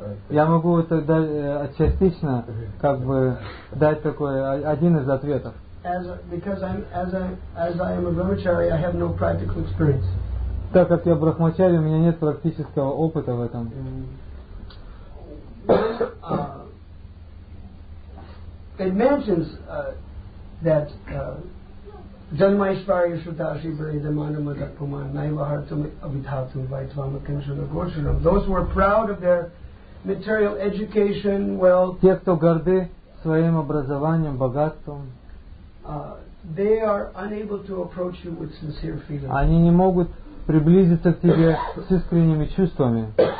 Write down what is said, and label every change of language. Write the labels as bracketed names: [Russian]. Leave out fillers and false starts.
[Russian] Я могу вот тогда частично как бы дать такой один из ответов. [English] Because I am a brahmachari, I have no practical experience. [Russian] Так как я брахмачари, у меня нет практического опыта в этом. [English] It mentions that [Sanskrit] Janmaishvari Shrutashi Bari Damana Madakuman Naivahartum Abhithatum Vaitvama Kinshana Gorsharam. [English] Those who are proud of their material education, wealth. [Russian] Те, кто горды своим образованием, богатством, [English] they are unable to approach you with sincere feelings. [Russian] Они не могут приблизиться к тебе с искренними чувствами.